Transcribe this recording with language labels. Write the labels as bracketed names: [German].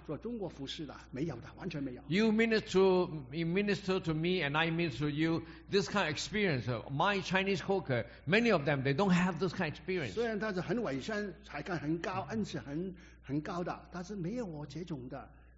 [Chinese] 对，你栽培了我，我栽培了你。这个经验，大部分的我的同工啊，做中国服事的，没有的，完全没有。 [English] You minister to me, and I minister to you. This kind of experience, my Chinese cooker, many of them, they don't have this kind of experience. [Chinese] 虽然他是很伟身，才干很高，恩赐很高的，但是没有我这种的。